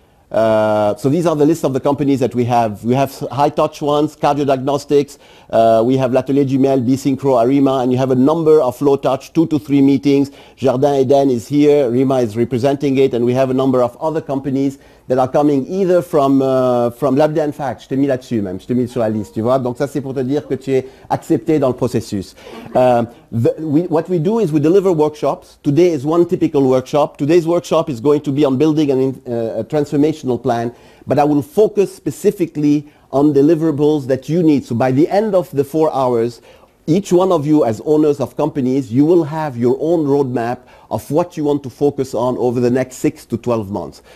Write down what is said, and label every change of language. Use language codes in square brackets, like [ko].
[en] So these are the list of the companies that we have. We have high touch ones, cardio diagnostics, we have L'Atelier Jumel, B-Synchro, Arima, and you have a number of low touch, 2 to 3 meetings. Jardin Eden is here, Rima is representing it, and we have a number of other companies that are coming either from l'Abdi and Fact. [fr] Je t'ai mis là-dessus même, je t'ai mis sur la liste, tu vois. Donc ça c'est pour te dire que tu es accepté dans le processus. [en] What we do is we deliver workshops. Today is one typical workshop. Today's workshop is going to be on building a transformational plan, but I will focus specifically on deliverables that you need. So by the end of the 4 hours, each one of you as owners of companies, you will have your own roadmap of what you want to focus on over the next 6 to 12 months.